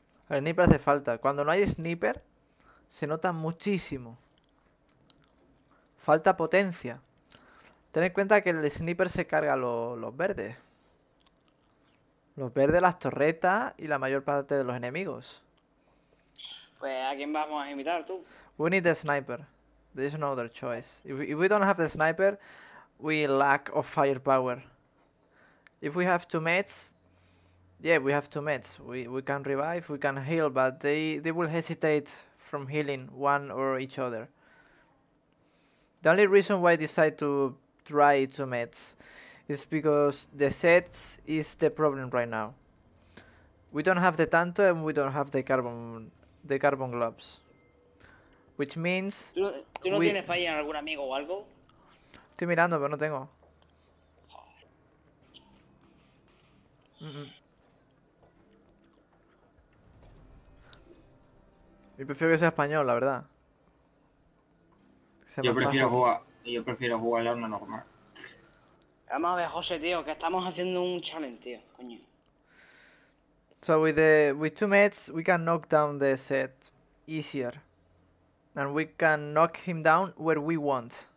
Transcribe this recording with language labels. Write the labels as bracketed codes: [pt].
[es] El sniper hace falta. Cuando no hay sniper, se nota muchísimo. Falta potencia. Ten en cuenta que el sniper se carga los verdes. Los verdes, las torretas y la mayor parte de los enemigos. Pues a quién vamos a invitar tú. [en] We need the sniper. There is no other choice. If we don't have the sniper, we lack of firepower. If we have two meds, yeah, we have two meds. We can revive, we can heal, but they will hesitate from healing one or each other. The only reason why I decide to try two meds is because the sets is the problem right now. We don't have the tanto and we don't have the carbon gloves. Which means... [es] ¿Tú no tienes falla en algún amigo o algo? Estoy mirando, pero no tengo. Yo prefiero que sea español, la verdad. Yo prefiero jugar la arma normal. Vamos a ver, José, tío, que estamos haciendo un challenge, tío, coño. [en] So with two meds we can knock down the set easier. And we can knock him down where we want.